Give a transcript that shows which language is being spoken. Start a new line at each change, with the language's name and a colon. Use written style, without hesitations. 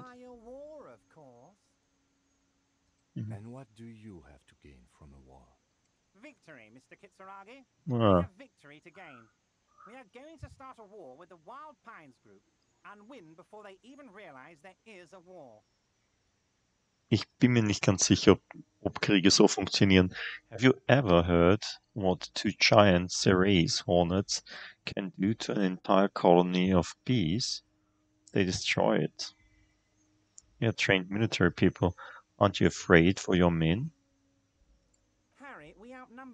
English: Try a war, of course. And what do you have to gain from a war? Victory, Mr. Kitsuragi. We have victory to gain. We are going to start a war with the Wild Pines group and win before they even realize there is a war.
German: Ich bin mir nicht ganz sicher, ob Kriege so funktionieren.
English: Have you ever heard what two giant Cerase hornets can do to an entire colony of bees? They destroy it. You're trained military people. Aren't you afraid for your men? Harry, we outnumber.